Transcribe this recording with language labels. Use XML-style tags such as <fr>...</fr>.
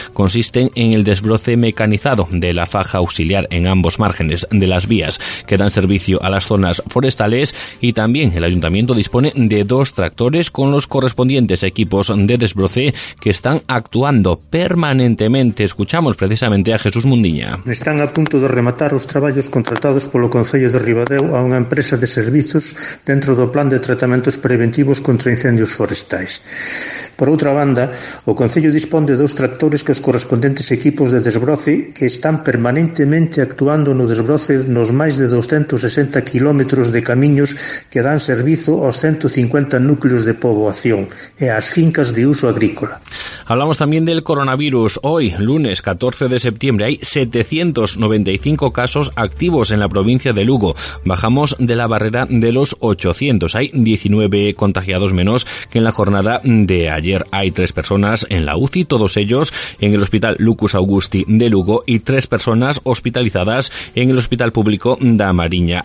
<es>Consisten en el desbroce mecanizado de la faja auxiliar en ambos márgenes de las vías que dan servicio a las zonas forestales, y también el Ayuntamiento dispone de dos tractores con los correspondientes equipos de desbroce que están actuando permanentemente. Escuchamos precisamente a Jesús Mundiña.</es> <gl>Están a punto de rematar os traballos contratados polo Concello de Ribadeo a unha empresa de servizos dentro do plan de tratamentos preventivos contra incendios forestais. Por outra banda, o Concello dispón de dous tractores que os correspondentes equipos de desbroce que están permanentemente actuando no desbroce nos máis de 260 kilómetros de camiños que dan servizo aos 150 núcleos de poboación e ás fincas de uso agrícola.</gl> <es>Hablamos tamén del coronavirus. Hoy, lunes 14 de septiembre, hay 795 casos activos en la provincia de Lugo. Bajamos de la barrera de los 800. Hay 19 contagiados menos que en la jornada de ayer. Hay 3 personas en la UCI, todos ellos en el Hospital Lucus Augusti de Lugo, y 3 personas hospitalizadas en el Hospital Público da Mariña.</es>